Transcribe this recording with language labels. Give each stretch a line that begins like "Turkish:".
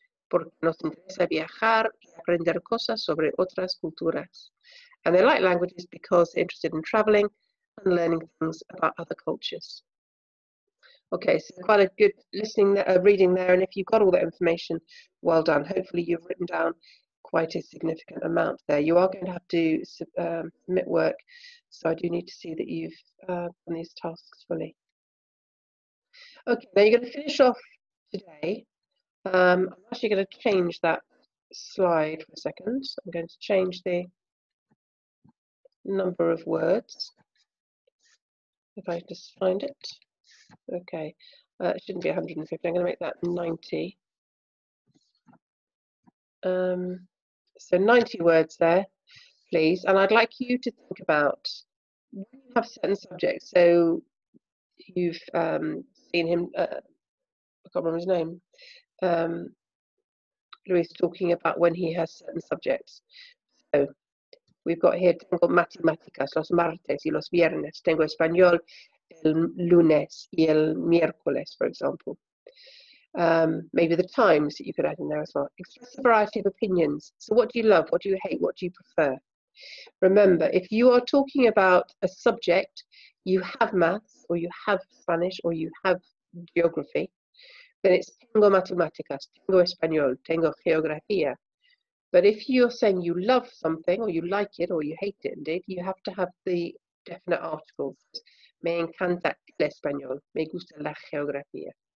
Spanish: Porque nos interesa viajar y aprender cosas sobre otras culturas.
English: And they like languages because they're interested in traveling and learning things about other cultures. Okay, so quite a good listening, reading there. And if you've got all that information, well done. Hopefully you've written down quite a significant amount there. You are going to have to submit work. So I do need to see that you've done these tasks fully. Okay, now you're going to finish off today. I'm actually going to change that slide for a second. So I'm going to change the number of words. If I just find it. Okay. It shouldn't be 150. I'm going to make that 90. So 90 words there, please. And I'd like you to think about when you have certain subjects. So you've seen him, I can't remember his name. Luis talking about when he has certain subjects. So we've got here,
Spanish: tengo matemáticas los martes y los viernes, tengo español el lunes y el miércoles,
English: for example. Maybe the times that you could add in there as well. Express a variety of opinions. So what do you love? What do you hate? What do you prefer? Remember, if you are talking about a subject, you have maths or you have Spanish or you have geography. Then it's
Spanish: tengo matemáticas, tengo español, tengo geografía.
English: But if you're saying you love something or you like it or you hate it, indeed, you have to have the definite articles.
Spanish: Me encanta el español, me gusta la geografía.